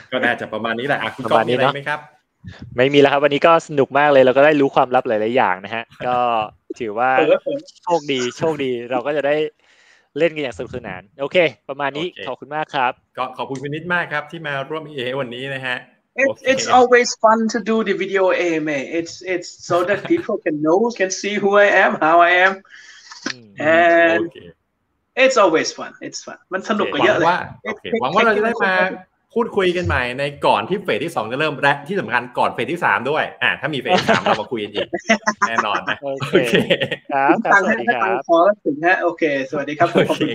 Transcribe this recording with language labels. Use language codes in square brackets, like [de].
[th] ก็น่าจะประมาณนี้แหละคุณก้องมีอะไรไหมครับ ไม่มีแล้วครับวันนี้ก็สนุกมากเลยเราก็ได้รู้ความลับหลายๆอย่างนะฮะก็ถือว่าโชคดีเราก็จะได้เล่นกันอย่างสนุกสนานโอเคประมาณนี้ขอบคุณมากครับ ก็ขอบคุณคุณนิดมากครับที่มาร่วมเอวันนี้นะฮะ [en] It's always fun to do the video AMA. It's so that people can know, can see who I am, how I am. And it's always fun. It's fun. [th] มันสนุกกว่าเยอะเลย หวังว่าเราจะได้มาพูดคุยกันใหม่ในก่อนที่เฟสที่2จะเริ่มและที่สำคัญก่อนเฟสที่3ด้วยถ้ามีเฟส3เรามาคุยกันอีกแน่นอน โอเคครับสวัสดีครับ ขอแล้วถึงฮะโอเคสวัสดีครับขอบคุณ